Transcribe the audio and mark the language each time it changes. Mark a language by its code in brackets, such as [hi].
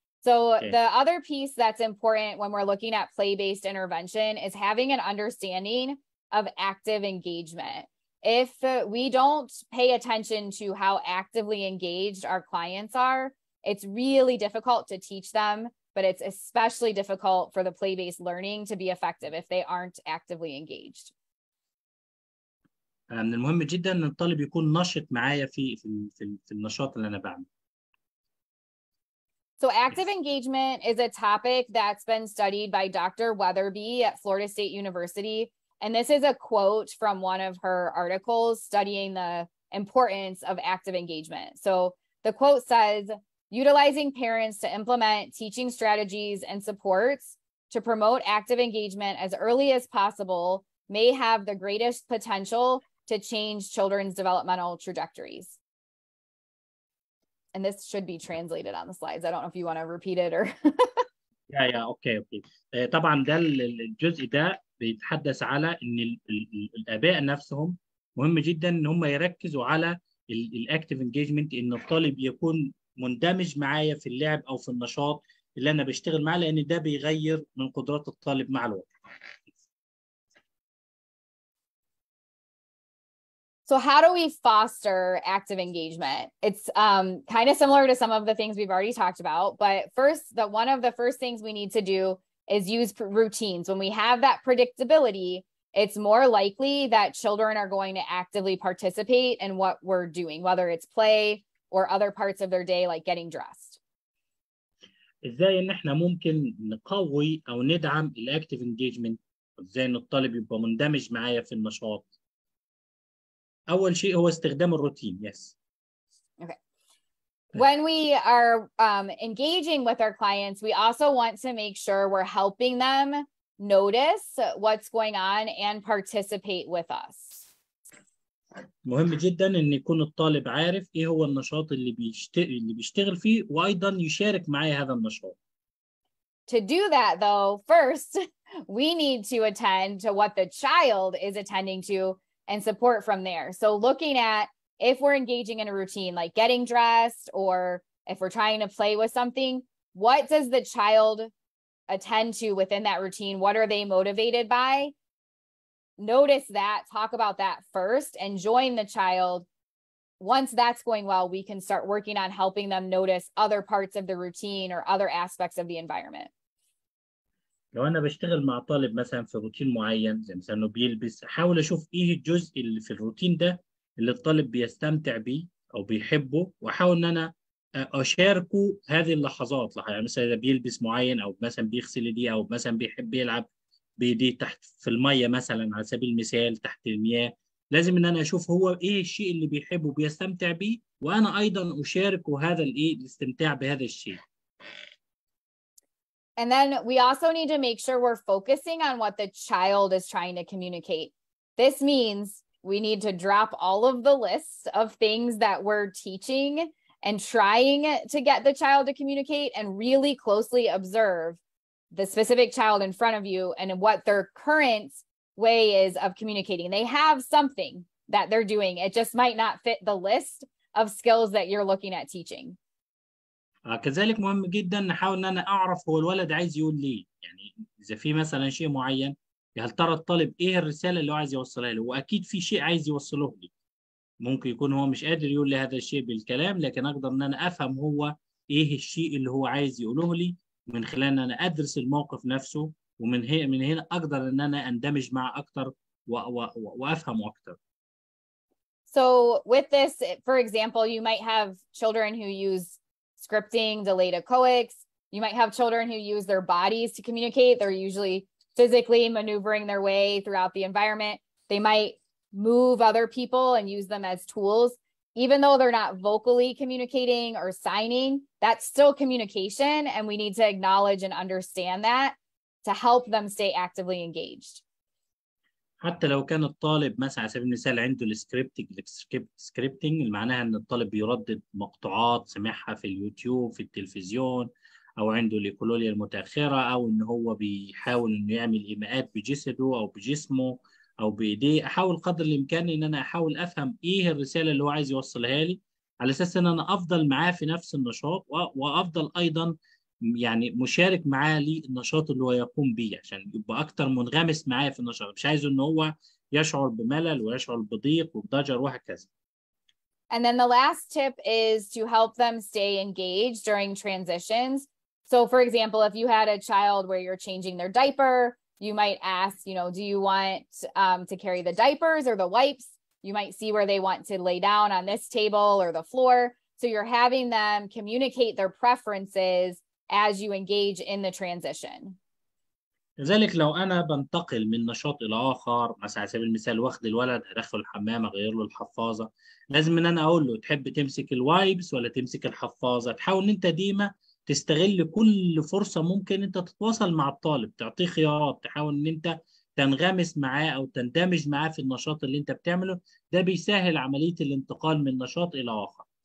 [en] So The other piece that's important when we're looking at play-based intervention is having an understanding of active engagement. If we don't pay attention to how actively engaged our clients are, it's really difficult to teach them, but it's especially difficult for the play-based learning to be effective if they aren't actively engaged. [ar] من المهم جدا ان الطالب يكون نشط معايا في النشاط اللي انا بعمله. [en] So active engagement is a topic that's been studied by Dr. Weatherby at Florida State University. And this is a quote from one of her articles studying the importance of active engagement. So the quote says, utilizing parents to implement teaching strategies and supports to promote active engagement as early as possible may have the greatest potential to change children's developmental trajectories. And this should be translated on the slides. I don't know if you want to repeat it or. yeah, okay. [ar] طبعا ده الجزء ده بيتحدث على ان الاباء نفسهم مهم جدا ان هم يركزوا على الاكتيف انجيجمنت ان الطالب يكون مندمج معايا في اللعب او في النشاط اللي انا بشتغل معاه لان ده بيغير من قدرات الطالب مع الوقت. [en] So how do we foster active engagement? It's kind of similar to some of the things we've already talked about, but first, one of the first things we need to do is use routines. When we have that predictability, it's more likely that children are going to actively participate in what we're doing, whether it's play or other parts of their day, like getting dressed. [ar] ازاي ان احنا ممكن نقوي او ندعم الاكتيف انجيجمنت؟ ازاي ان الطالب يبقى مندمج معايا في النشاط؟ أول شيء هو استخدام الروتين. [en] Yes. Okay. When we are engaging with our clients, we also want to make sure we're helping them notice what's going on and participate with us. [ar] مهم جدا إن يكون الطالب عارف إيه هو النشاط اللي بيشتغل فيه وأيضا يشارك معي هذا النشاط. [en] To do that, though, first we need to attend to what the child is attending to. And support from there. So looking at if we're engaging in a routine like getting dressed or if we're trying to play with something, what does the child attend to within that routine? What are they motivated by? Notice that, talk about that first and join the child. Once that's going well, we can start working on helping them notice other parts of the routine or other aspects of the environment. [ar] لو انا بشتغل مع طالب مثلا في روتين معين زي مثلا انه بيلبس احاول اشوف ايه الجزء اللي في الروتين ده اللي الطالب بيستمتع بيه او بيحبه واحاول ان انا اشاركه هذه اللحظات يعني مثلا اذا بيلبس معين او مثلا بيغسل ايديه او مثلا بيحب يلعب بايديه تحت في الميه مثلا على سبيل المثال تحت المياه، لازم ان انا اشوف هو ايه الشيء اللي بيحبه وبيستمتع بيه، وانا ايضا اشارك هذا الايه الاستمتاع بهذا الشيء. [en] And then we also need to make sure we're focusing on what the child is trying to communicate. This means we need to drop all of the lists of things that we're teaching and trying to get the child to communicate and really closely observe the specific child in front of you and what their current way is of communicating. They have something that they're doing. It just might not fit the list of skills that you're looking at teaching. [ar] كذلك مهم جدا نحاول ان انا اعرف هو الولد عايز يقول لي، يعني اذا في مثلا شيء معين، هل ترى الطالب ايه الرساله اللي هو عايز يوصلها لي؟ واكيد في شيء عايز يوصله لي، ممكن يكون هو مش قادر يقول لي هذا الشيء بالكلام، لكن اقدر ان انا افهم هو ايه الشيء اللي هو عايز يقوله لي من خلال ان انا ادرس الموقف نفسه، ومن هنا اقدر ان انا اندمج معه اكتر وافهمه اكتر. [en] So with this, for example, you might have children who use scripting, delayed echoics. You might have children who use their bodies to communicate. They're usually physically maneuvering their way throughout the environment. They might move other people and use them as tools. Even though they're not vocally communicating or signing, that's still communication, and we need to acknowledge and understand that to help them stay actively engaged. [ar] حتى لو كان الطالب مثلا على سبيل المثال عنده السكريبتنج، السكريبتنج اللي معناها ان الطالب بيردد مقطوعات سمعها في اليوتيوب في التلفزيون، او عنده الايكولوليا المتاخره، او ان هو بيحاول انه يعمل ايماءات بجسده او بجسمه او بايديه، احاول قدر الامكان ان انا احاول افهم ايه الرساله اللي هو عايز يوصلها لي، على اساس ان انا افضل معاه في نفس النشاط، وافضل ايضا يعني مشارك معاه للنشاط اللي هو يقوم بيه، عشان يبقى اكتر منغمس معاه في النشاط، مش عايزه ان هو يشعر بملل ويشعر بضيق وبضجر وهكذا. [en] And then the last tip is to help them stay engaged during transitions. So for example, if you had a child where you're changing their diaper, you might ask, you know, do you want to carry the diapers or the wipes? You might see where they want to lay down on this table or the floor. So you're having them communicate their preferences as you engage in the transition. [ar] كذلك لو انا بنتقل من نشاط الى اخر، مثلا على سبيل المثال واخد الولد ادخل الحمام اغير له الحفاظه، لازم ان انا اقول له تحب تمسك الوايبس ولا تمسك الحفاظه، تحاول ان انت ديما تستغل كل فرصه ممكن انت تتواصل مع الطالب، تعطيه خيارات، تحاول ان انت تنغمس معاه او تندمج معاه في النشاط اللي انت بتعمله، ده بيسهل عمليه الانتقال من نشاط الى اخر.